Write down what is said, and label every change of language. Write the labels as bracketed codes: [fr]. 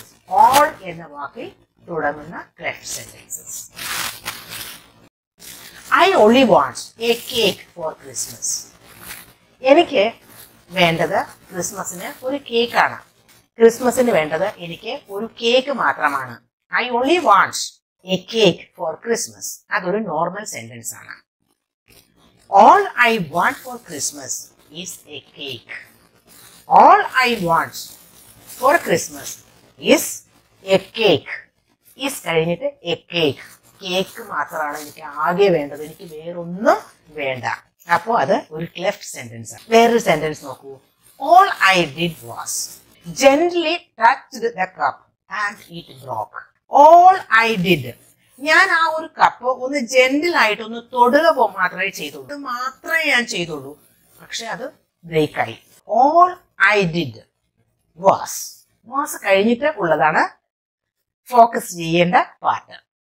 [ml] All എന്ന വാക്കിൽ തുടങ്ങുന്ന cleft sentences. [en] I only want a cake for Christmas. [ml] എനിക്ക് വേണ്ടത് ക്രിസ്മസിന് ഒരു കേക്കാണ്. ക്രിസ്മസിന് വേണ്ടത് എനിക്ക് ഒരു കേക്ക് മാത്രമാണ്. [en] I only want a cake for Christmas. [ml] അതൊരു നോർമൽ സെന്റൻസ് ആണ്. [en] All I want for Christmas is a cake. All I want for Christmas is a cake. [ml] Is കഴിഞ്ഞിട്ട് എ കേക്ക്, കേക്ക് മാത്രമാണ് എനിക്ക് ആകെ വേണ്ടത്, എനിക്ക് വേറൊന്നും വേണ്ട. അപ്പോ അത് ഒരു ക്ലെഫ്റ്റ് സെന്റൻസ് ആണ്. വേറൊരു സെന്റൻസ് നോക്കൂ. [en] All I did was gently touched the cup and it broke. All I did. [ml] ഞാൻ ആ ഒരു കപ്പ് ഒന്ന് ജെന്റിൽ ആയിട്ട് ഒന്ന് തൊടുക മാത്രമേ ചെയ്തുള്ളൂ, അത് മാത്രമേ ഞാൻ ചെയ്തുള്ളൂ, പക്ഷെ അത് ബ്രേക്ക് ആയി. [en] all I did was, [ml] was കഴിഞ്ഞിട്ട് ഉള്ളതാണ് ഫോക്കസ് ചെയ്യേണ്ട പാർട്ട്.